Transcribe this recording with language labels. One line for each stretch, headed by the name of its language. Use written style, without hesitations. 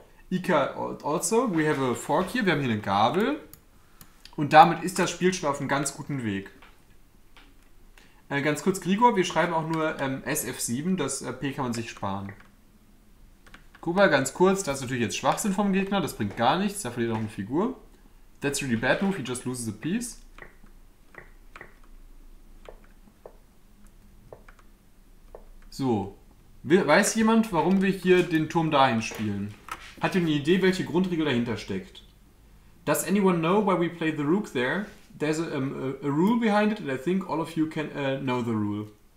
English: Ika also, we have a fork here.
German: Wir haben hier eine Gabel. Und damit ist das Spiel schon auf einem ganz guten Weg. Ganz kurz, Grigor, wir schreiben auch nur SF7, das P kann man sich sparen. Guck mal, ganz kurz, das ist natürlich jetzt Schwachsinn vom Gegner, das bringt gar nichts, da verliert er auch eine Figur.
English: That's really bad move, he just loses a piece.
German: So, weiß jemand, warum wir hier den Turm dahin spielen? Hat ihr eine Idee, welche Grundregel dahinter steckt?
English: Does anyone know why we play the rook there? There's a rule behind it, and I think all of you can know the rule.